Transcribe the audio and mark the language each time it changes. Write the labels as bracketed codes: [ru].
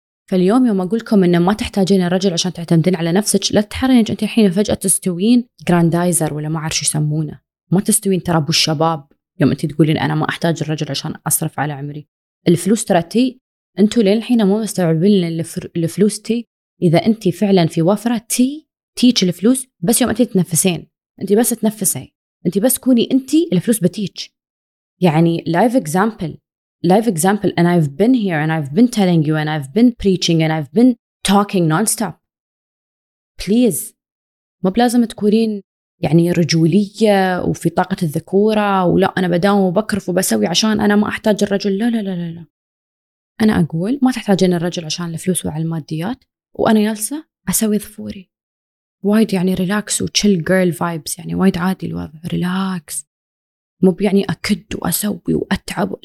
[ar] فاليوم يوم أقولكم إن ما تحتاجين الرجل عشان تعتمدين على نفسك، لا تحرينك أنت الحين فجأة تستوين جراندايزر ولا ما أعرف شو يسمونه، ما تستوين ترى أبو الشباب يوم أنت تقولين أنا ما أحتاج الرجل عشان أصرف على عمري. الفلوس ترتي، أنتوا لين الحين مو مستوعبين الفلوس تي. إذا أنت فعلا في وفرة تي تيج الفلوس بس يوم أنت تتنفسين، أنت بس تنفسي، أنت بس كوني أنت، الفلوس بتيج. [en] يعني live example and I've been here and I've been telling you and I've been preaching and I've been talking non-stop. [ar] Please مو بلازم تكونين يعني رجولية وفي طاقة الذكورة ولا أنا بداوم وبكرف وبسوي عشان أنا ما أحتاج الرجل. لا لا لا لا لا، أنا أقول ما تحتاجين الرجل عشان الفلوس وعلى الماديات، وأنا جالسة أسوي ظفوري وايد يعني [en] relax وتشيل girl vibes, [ar] يعني وايد عادي الوضع، ريلاكس، مو يعني أكد وأسوي وأتعب.